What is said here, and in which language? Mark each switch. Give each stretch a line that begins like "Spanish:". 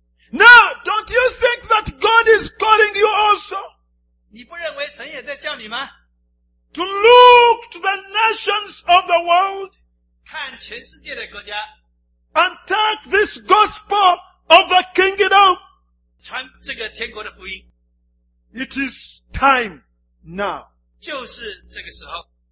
English: Now, don't you think that God is calling you also?
Chinese: 你不认为神也在叫你吗?
English: To look to the nations of the world,
Chinese: 看全世界的国家,
English: and take this gospel of the kingdom.
Chinese: 传这个天国的福音。
English: It is time now.
Chinese: 就是这个时候。